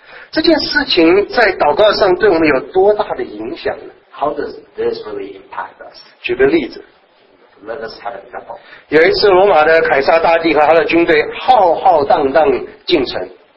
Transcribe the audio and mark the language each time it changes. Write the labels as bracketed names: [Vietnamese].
[Chinese] 这件事情在祷告上对我们有多大的影响呢？ [English] How does this really impact us? [Chinese] 举个例子。 [English] Let us have an example. [Chinese] 有一次罗马的凯撒大帝和他的军队浩浩荡荡进城。